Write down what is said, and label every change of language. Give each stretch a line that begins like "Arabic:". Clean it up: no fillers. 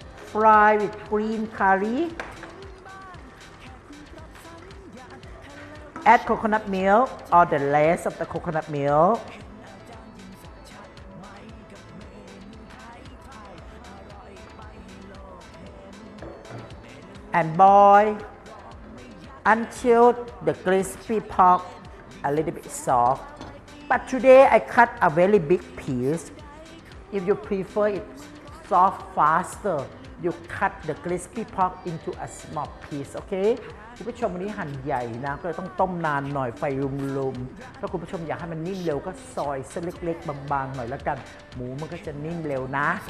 English: fry with green curry add coconut milk or the less of the coconut milkAnd boil until the crispy pork a little bit soft. But today I cut a very big piece. If you prefer it soft faster, you cut the crispy pork into a small piece. Okay?
Thai: คุณผู้ชมวันนี้หั่นใหญ่นะก็ต้องต้มนานหน่อยไฟลุ่มๆถ้าคุณผู้ชมอยากให้มันนิ่มเร็วก็ซอยเส้นเล็กๆบางๆหน่อยแล้วกันหมูมันก็จะนิ่มเร็วนะ